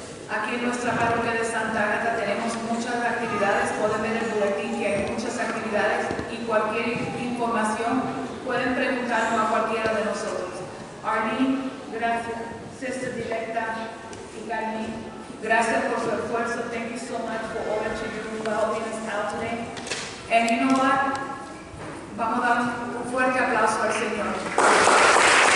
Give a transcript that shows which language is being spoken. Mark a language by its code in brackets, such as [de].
[es] Aquí en nuestra parroquia de Santa Agata tenemos muchas actividades. Pueden ver el boletín que hay muchas actividades, y cualquier información pueden preguntarlo a cualquiera de nosotros. Arlene, gracias. Sister Directa y Carmen, gracias por su esfuerzo. [en] Thank you so much for all that you do for helping us out today. And you know what? [es] Vamos a dar un fuerte aplauso al Señor.